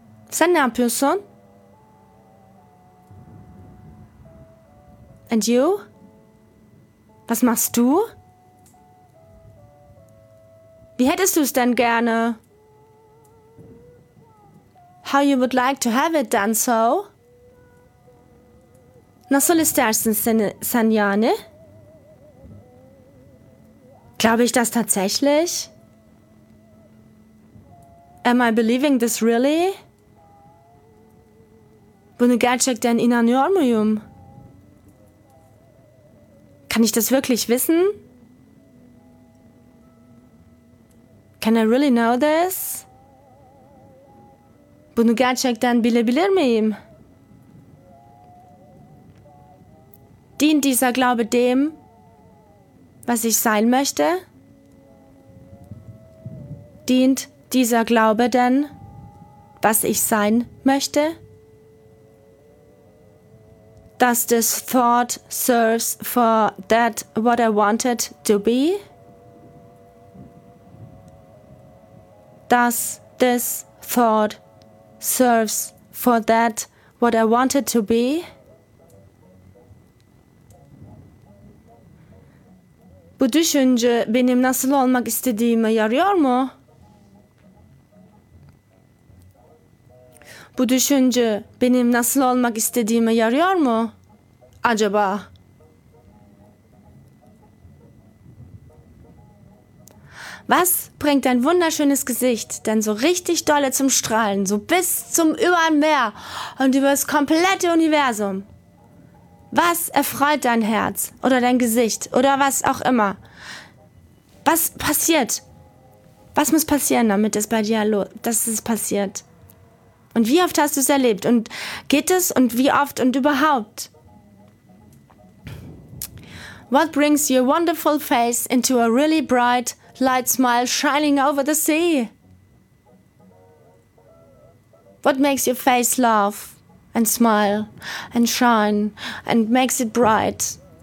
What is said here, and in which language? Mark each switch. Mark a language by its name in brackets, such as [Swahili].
[Turkish] Sen ne yapıyorsun? [English] And you? [German] Was machst du? Wie hättest du es denn gerne? [English] How you would like to have it done so? [Turkish] Nasıl istersin sen yani? [German] Glaube ich das tatsächlich? [English] Am I believing this really? [Turkish] Bunu gerçekten inanıyor muyum? [German] Kann ich das wirklich wissen? [English] Can I really know this? [Turkish] Bunu gerçekten bilebilir miyim? [German] Dient dieser Glaube dem, was ich sein möchte? Dient dieser Glaube denn, was ich sein möchte? [English] Does this thought serves for that what I wanted to be? Does this thought serves for that what I wanted to be? [Turkish] Bu düşünce benim nasıl olmak istediğime yarıyor mu? Bu düşünce benim nasıl olmak istediğime yarıyor mu? Acaba? [German] Was bringt dein wunderschönes Gesicht denn so richtig dolle zum Strahlen, so bis zum Übermeer und über das komplette Universum? Was erfreut dein Herz oder dein Gesicht oder was auch immer? Was passiert? Was muss passieren, damit es bei dir los, dass es passiert? Und wie oft hast du es erlebt? Und geht es? Und wie oft und überhaupt? [English] What brings your wonderful face into a really bright light smile shining over the sea? What makes your face laugh and smile and shine and makes it bright?